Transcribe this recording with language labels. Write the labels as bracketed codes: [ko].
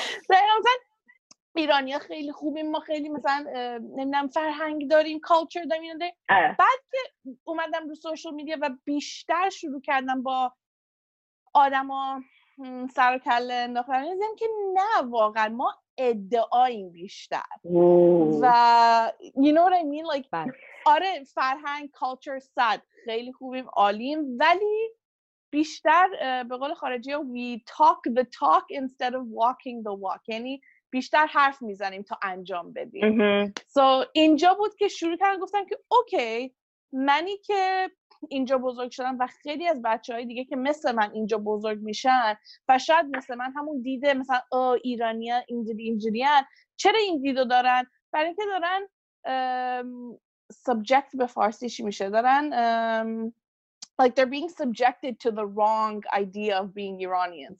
[fa] مثلا ایرانی ها خیلی خوبیم، ما خیلی مثلا نمیدونم فرهنگ داریم، کالچر داریم اینا. بعد که اومدم رو سوشال میدیا و بیشتر شروع کردم با آدما سر و کله انداختن، دیدم که نه واقعا ما ادعاییم بیشتر. [en] و you know what I mean like بس. [fa] آره فرهنگ کالچر صد خیلی خوبیم عالیم، ولی بیشتر به قول خارجی ها [en] we talk the talk instead of walking the walk، [fa] یعنی بیشتر حرف میزنیم تا انجام بدیم. So اینجا بود که شروع کردم گفتم که اوکی، منی که اینجا بزرگ شدم و خیلی از بچه های دیگه که مثل من اینجا بزرگ میشن و شاید مثل من همون دیده مثلا ایرانی ها اینجوری اینجوری هن، چرا این دیدو دارن؟ برای اینکه دارن subject به فارسیش میشه، دارن [en] like they're being subjected to the wrong idea of being Iranian.